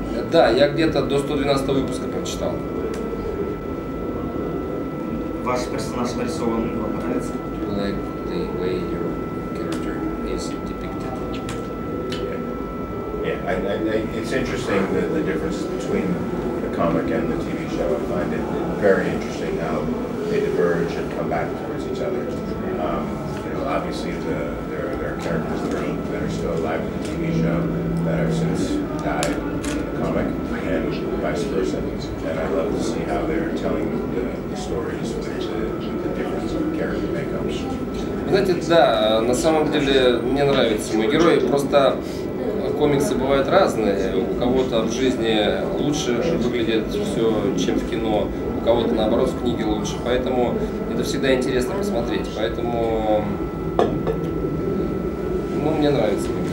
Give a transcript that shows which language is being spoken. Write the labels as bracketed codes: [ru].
[ru] Да, я где-то до 112 выпуска прочитал. Ваш персонаж нарисован вам нравится? [en] Like the way your character is depicted. Yeah, it's interesting the difference between the comic and the TV show. I find it very interesting how they diverge and come back towards each other. Obviously, there are characters that are still alive in the TV show that have since died. Comic and vice versa, and I love to see how they're telling the stories with the difference of character makeups. [ru] Знаете, да, на самом деле мне нравятся мои герои. Просто комиксы бывают разные. У кого-то в жизни лучше выглядит все, чем в кино, у кого-то наоборот в книге лучше. Поэтому это всегда интересно посмотреть. Поэтому, ну, мне нравится.